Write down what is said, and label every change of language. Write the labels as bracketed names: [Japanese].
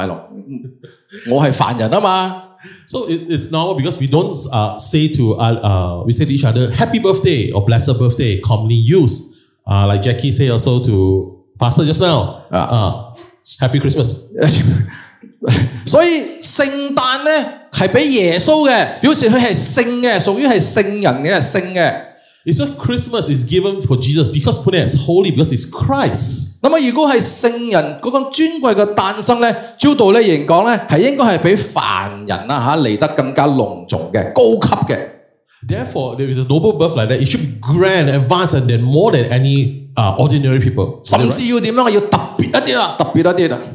[Chinese] 而不是你和我的生日，我们叫什么？生日快乐啊，或者是诞辰啊，只不过只见到祝福我啦，是说牧师你生日快乐，他不会说牧师你圣诞快乐，我是凡人啊嘛。 [English] So it's normal because we don't say to we say to each other happy birthday or blessed birthday commonly used. Like Jackie say also to pastor just now, happy Christmas. [Chinese] 所以圣诞呢？是给耶稣的，表示他是圣的，属于是圣人的，圣的。 [English] So Christmas is given for Jesus because put it as holy because it's Christ. [Chinese] 那么如果是圣人那种尊贵的诞生呢，照道理来讲呢，是应该是比凡人来得更加隆重的，高级的。 [English] Therefore, there is a noble birth like that. It should be grand, advanced, and then more than any ordinary people. [Chinese] 甚至要怎样？要特别一点啊，特别一点啊。